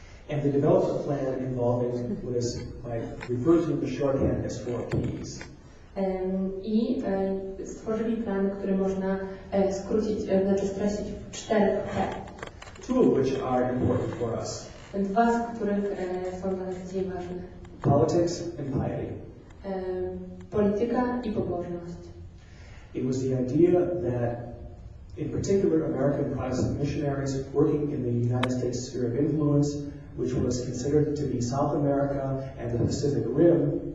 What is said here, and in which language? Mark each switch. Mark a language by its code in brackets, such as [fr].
[en] And they developed a plan involving what is by reversing the shorthand as 4 P's. [pl] I stworzyli plan, który można skrócić, znaczy skrócić w 4 P. [en] Two of which are important for us. [pl] Dwa z których są dla nas dzisiaj ważne. [en] Politics and piety. [pl] Polityka i pobożność. [en] It was the idea that, in particular, American Protestant missionaries working in the United States sphere of influence, which was considered to be South America and the Pacific Rim.